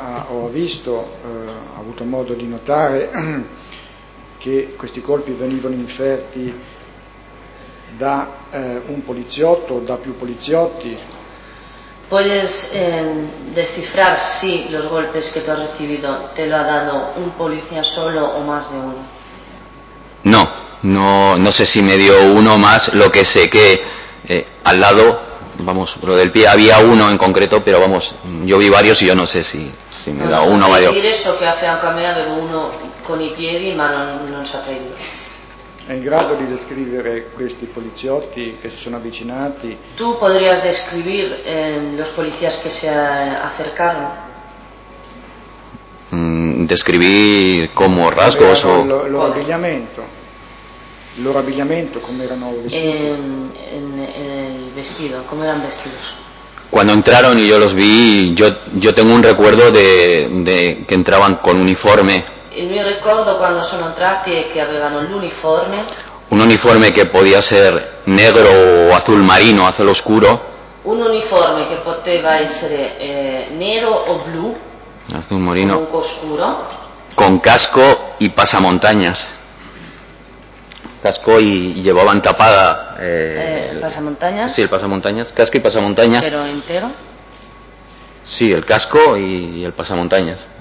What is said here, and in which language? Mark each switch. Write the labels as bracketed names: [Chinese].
[Italian] Ho visto, ho avuto modo di notare che questi colpi venivano inferti da un poliziotto, da più poliziotti. [Spanish] Puedes descifrar si los golpes que tú has recibido te lo ha dado un policía solo o más de uno. No sé si me dio uno más, lo que sé que al lado, vamos, lo del pie había uno en concreto, pero vamos, yo vi varios y yo no sé si me da uno o varios. Decir eso que hace a mí de uno [Italian] con i piedi, ma non saprei dire. È in grado di descrivere questi poliziotti che si sono avvicinati? [Spanish] Tu podrías describir los policías que se acercaron. Describir como rasgos o [Italian] loro abbigliamento. Loro abbigliamento, come erano vestiti? [Spanish] El vestido, [Italian] come erano vestiti? [Spanish] Cuando entraron y yo los vi, yo tengo un recuerdo de que entraban con uniforme. [Italian] Il mio ricordo quando sono entrati è che avevano l'uniforme. Un uniforme che poteva essere nero o [Spanish] azul marino, azul oscuro. [Italian] Un uniforme che poteva essere nero o blu. [Spanish] Azul marino. Un oscuro. Con casco y pasamontañas. Casco y llevaban tapada. Pasamontañas. Sí, el pasamontañas. Casco y pasamontañas. Pero entero. Sí, el casco y el pasamontañas.